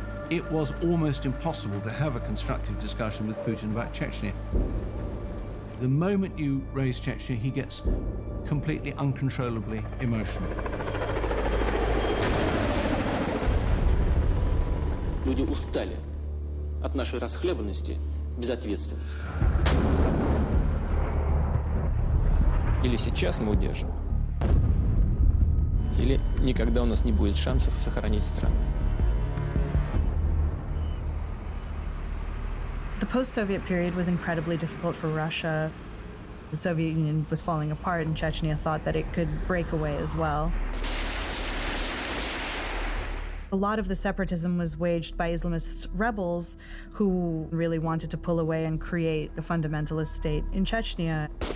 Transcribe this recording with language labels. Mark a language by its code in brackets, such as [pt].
[en] It was almost impossible to have a constructive discussion with Putin about Chechnya. The moment you raise Chechnya, he gets completely uncontrollably emotional. [ru] Люди устали от нашей расхлябанности, безответственности. Или сейчас мы удержим, или никогда у нас не будет шансов сохранить страну. [en] The post-Soviet period was incredibly difficult for Russia. The Soviet Union was falling apart, and Chechnya thought that it could break away as well. A lot of the separatism was waged by Islamist rebels who really wanted to pull away and create a fundamentalist state in Chechnya.